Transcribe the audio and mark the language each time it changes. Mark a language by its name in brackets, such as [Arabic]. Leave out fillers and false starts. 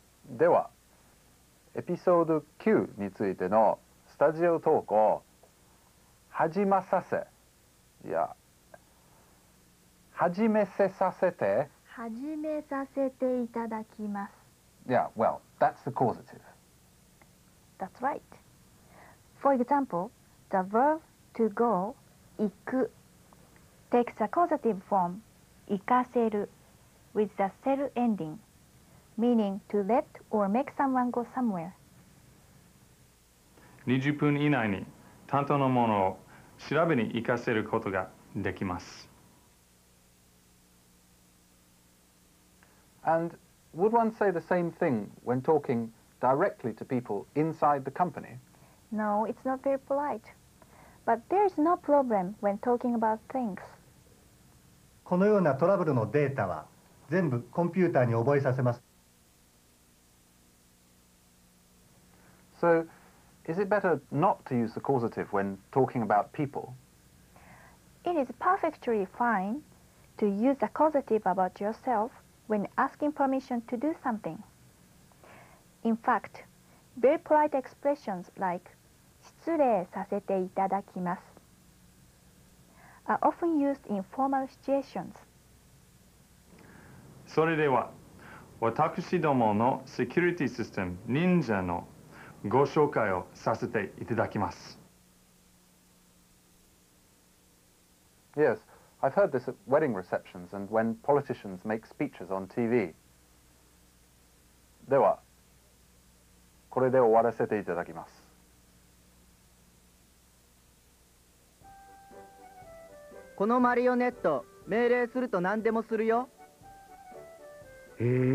[Japanese] ではエピソード9についてのスタジオトークを始まさせ、いや始めせさせて、始めさせていただきます。 [English] Yeah, well, that's the causative. That's right. For example, the verb to go 行くTakes a causative form, 行かせる with the せる ending, meaning to let or make someone go somewhere. [Japanese] 20分以内に担当の者を調べに行かせることができます。 [English] And would one say the same thing when talking directly to people inside the company? No, it's not very polite. But there is no problem when talking about things. [Japanese] このようなトラブルのデータは全部コンピューターに覚えさせます。 [English] So, is it better not to use the causative when talking about people? It is perfectly fine to use the causative about yourself when asking permission to do something. In fact, very polite expressions like [Japanese] 失礼させていただきます [English] are often used in formal situations. [Japanese] それでは、私どものセキュリティシステム Ninja のご紹介をさせていただきます。 [English] Yes, I've heard this at wedding receptions and when politicians make speeches on TV. [Japanese] では、これで終わらせていただきます。このマリオネット、命令すると何でもするよ。へえ。